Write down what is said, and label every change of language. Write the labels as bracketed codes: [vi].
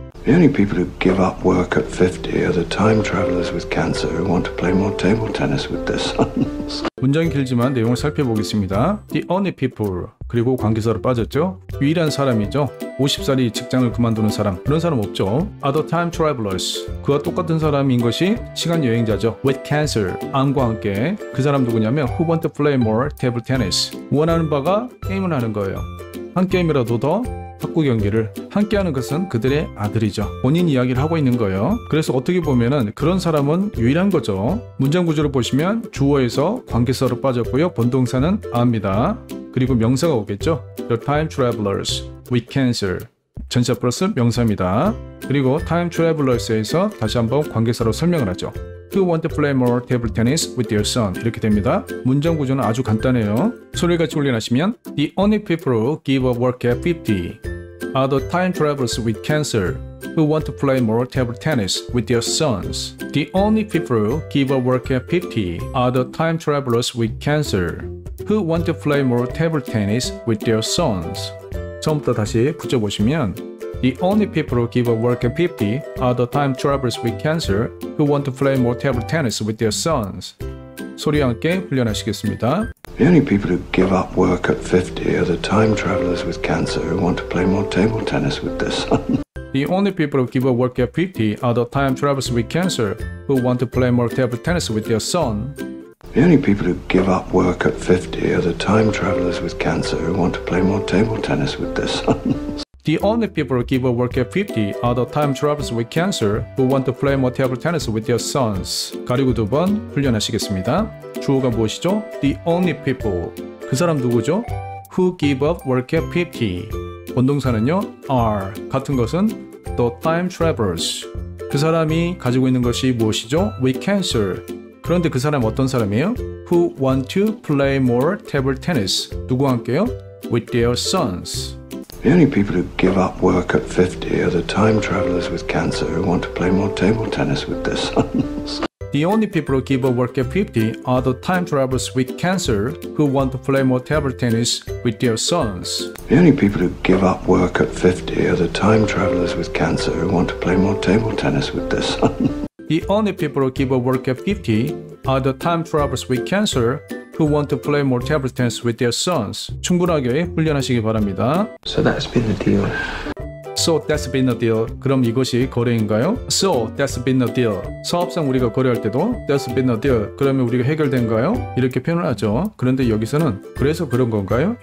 [en] The only people who give up work at 50 are the time travelers with cancer who want to play more table tennis with their sons. [ko] 문장이 길지만 내용을 살펴보겠습니다. [en] The only people, [ko] 그리고 관계사로 빠졌죠. 유일한 사람이죠. 50살이 직장을 그만두는 사람, 그런 사람 없죠. [en] Other time travelers, [ko] 그와 똑같은 사람인 것이 시간 여행자죠. [en] With cancer, [ko] 암과 함께. 그 사람 누구냐면 [en] Who want to play more table tennis? [ko] 원하는 바가 게임을 하는 거예요. 한 게임이라도 더 학구 경기를 함께하는 것은 그들의 아들이죠. 본인 이야기를 하고 있는 거예요. 그래서 어떻게 보면은 그런 사람은 유일한 거죠. 문장 구조를 보시면 주어에서 관계사로 빠졌고요. 본동사는 압니다. 그리고 명사가 오겠죠. [en] The time travelers, we cancel. [ko] 전체 플러스 명사입니다. 그리고 time travelers에서 다시 한번 관계사로 설명을 하죠. [en] Who want to play more table tennis with their son? [ko] 이렇게 됩니다. 문장 구조는 아주 간단해요. 소리를 같이 올려놨으면 [en] The only people who give up work at 50 are the time travelers with cancer who want to play more table tennis with their sons. The only people who give up work at 50 are the time travelers with cancer who want to play more table tennis with their sons. [ko] 처음부터 다시 붙여보시면 [en] The only people who give up work at 50 are the time travelers with cancer who want to play more table tennis with their sons. [ko] 소리와 함께 훈련하시겠습니다. [en] The only people who give up work at 50 are the time travelers with cancer who want to play more table tennis with their sons. The only people who give up work at 50 are the time travelers with cancer who want to play more table tennis with their son. The only people who give up work at 50 are the time travelers with cancer who want to play more table tennis with their sons. The only people who give up work at 50 are the time travelers with cancer who want to play more table tennis with their sons. [ko] 가리고 두 번 훈련하시겠습니다. 주어가 무엇이죠? [en] The only people. [ko] 그 사람 누구죠? [en] Who give up work at 50. [ko] 원동사는요? [en] Are. [ko] 같은 것은 [en] the time travelers. [ko] 그 사람이 가지고 있는 것이 무엇이죠? [en] With cancer. [ko] 그런데 그 사람 어떤 사람이에요? [en] Who want to play more table tennis. [ko] 누구와 함께요? [en] With their sons. The only people who give up work at 50 are the time travelers with cancer who want to play more table tennis with their sons. The only people who give up work at 50 are the time travelers with cancer who want to play more table tennis with their sons. The only people who give up work at 50 are the time travelers with cancer who want to play more table tennis with their sons. The only people who give up work at 50 are the time travelers with cancer who want to play more table tennis with their sons. [ko] 충분하게 훈련하시기 바랍니다. [en] So that's been the deal. So that's been the deal. [ko] 그럼 이것이 거래인가요? [en] So that's been the deal. [ko] 사업상 우리가 거래할 때도 [en] that's been the deal. [ko] 그러면 우리가 해결된가요? 이렇게 표현을 하죠. 그런데 여기서는 그래서 그런 건가요?